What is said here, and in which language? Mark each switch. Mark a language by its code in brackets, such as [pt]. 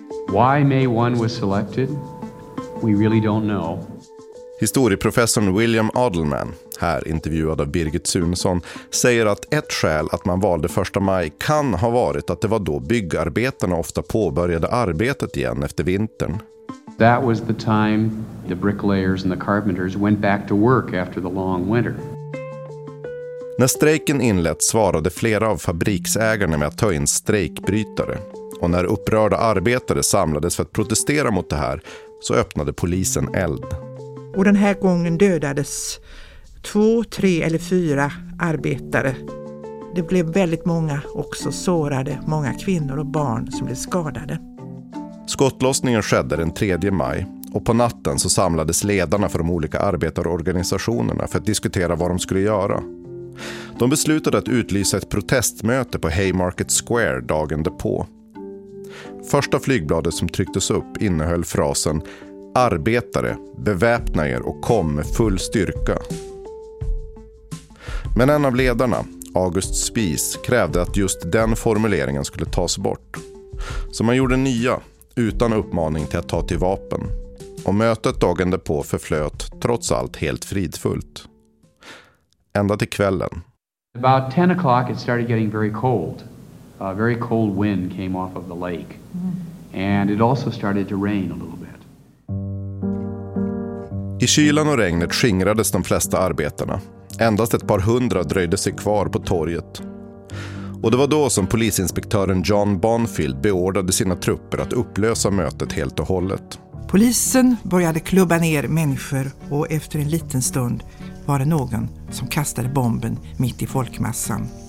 [en] Why May 1 was selected? We really don't know. [sv] Historieprofessorn William Adelman, här intervjuad av Birgit Sunesson, säger att ett skäl att man valde 1 maj kan ha varit att det var då byggarbetarna ofta påbörjade arbetet igen efter vintern. [en] That was the time the bricklayers and the carpenters went back to work after the long winter. [sv] När strejken inlett svarade flera av fabriksägarna med att ta in strejkbrytare. Och när upprörda arbetare samlades för att protestera mot det här så öppnade polisen eld. Och den här gången dödades 2, 3 eller 4 arbetare. Det blev väldigt många också sårade, många kvinnor och barn som blev skadade. Skottlossningen skedde den 3 maj och på natten så samlades ledarna för de olika arbetarorganisationerna för att diskutera vad de skulle göra. De beslutade att utlysa ett protestmöte på Haymarket Square dagen därpå. Första flygbladet som trycktes upp innehöll frasen "Arbetare, beväpna er och kom med full styrka." Men en av ledarna, August Spies, krävde att just den formuleringen skulle tas bort. Så man gjorde nya, utan uppmaning till att ta till vapen. Och mötet dagen därpå förflöt, trots allt, helt fridfullt. Ända till kvällen. [en] About 10 o'clock it started getting very cold. A very cold wind came off of the lake. And it also started to rain a little bit. [sv] I kylan och regnet skingrades de flesta arbetarna. Endast ett par hundra dröjde sig kvar på torget. Och det var då som polisinspektören John Bonfield beordrade sina trupper att upplösa mötet helt och hållet. Polisen började klubba ner människor och efter en liten stund var det någon som kastade bomben mitt i folkmassan.